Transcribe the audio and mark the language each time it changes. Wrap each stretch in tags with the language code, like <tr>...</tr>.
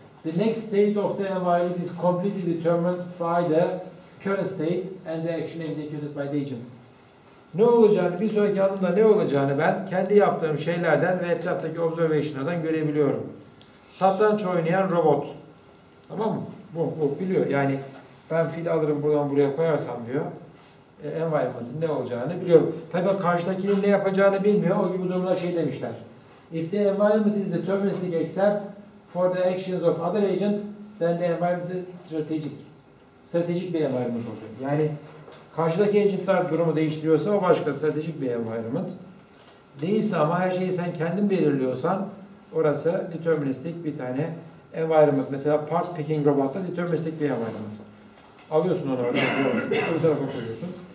<en>The next state of the environment is completely determined by the current state and the action executed by the agent.</en> <tr>Ne olacağını, bir sonraki adımda ne olacağını ben kendi yaptığım şeylerden ve etraftaki observation'lardan görebiliyorum. Satranç oynayan robot. Tamam mı? Bu biliyor. Yani ben fil alırım buradan buraya koyarsam diyor. Environment'in ne olacağını biliyorum. Tabii karşıdakinin ne yapacağını bilmiyor. O gibi durumda şey demişler.</tr> <en>If the environment is deterministic except for the actions of other agent, then the environment is strategic.</en> <tr>Stratejik bir environment oluyor. Yani karşıdaki agentler durumu değiştiriyorsa o başka, stratejik bir environment. Değilse ama her şeyi sen kendin belirliyorsan orası deterministik bir tane environment. Mesela part picking robotta deterministik bir environment. Alıyorsun onu oradan, bir tarafa koyuyorsun.</tr>